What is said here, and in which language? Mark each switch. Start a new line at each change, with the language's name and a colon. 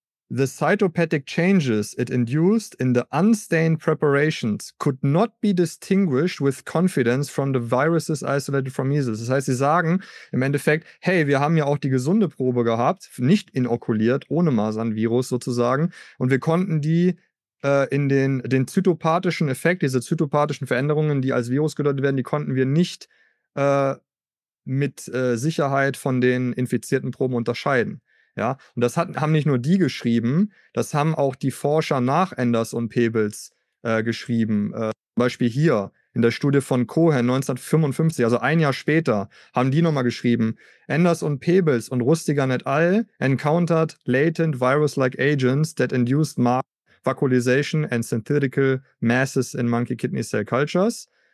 English: The cytopathic changes it induced in the unstained preparations could not be distinguished with confidence from the viruses isolated from measles.
German: Das heißt, sie sagen im Endeffekt, hey, wir haben ja auch die gesunde Probe gehabt, nicht inokuliert, ohne Masernvirus sozusagen, und wir konnten die in den zytopathischen Effekt, diese zytopathischen Veränderungen, die als Virus gedeutet werden, die konnten wir nicht mit Sicherheit von den infizierten Proben unterscheiden. Ja, und das haben nicht nur die geschrieben, das haben auch die Forscher nach Enders und Pebels geschrieben. Zum Beispiel hier in der Studie von Cohen 1955, also ein Jahr später, haben die nochmal geschrieben, Enders und Pebels und Rustigan et al.
English: Encountered latent virus-like agents that induced mass vacuolization and synthetical masses in monkey kidney cell cultures.